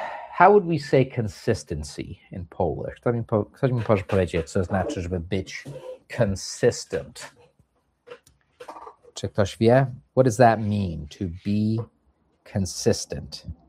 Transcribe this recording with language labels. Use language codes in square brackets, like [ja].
[en] How would we say consistency in Polish? [pl] Ktoś mi może powiedzieć, co znaczy, żeby być consistent? Czy ktoś wie? [en] What does that mean, to be consistent?